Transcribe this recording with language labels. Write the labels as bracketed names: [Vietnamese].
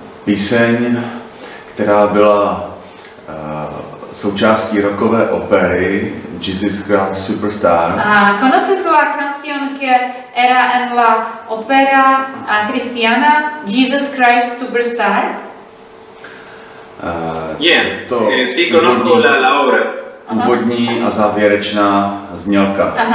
[Czech] Píseň, která byla součástí rockové opery Jesus Christ Superstar. [Spanish] A conoces la canción que era en la ópera cristiana Jesus Christ Superstar? Yeah, to sí, conozco la obra. [Czech] Úvodní a závěrečná znělka.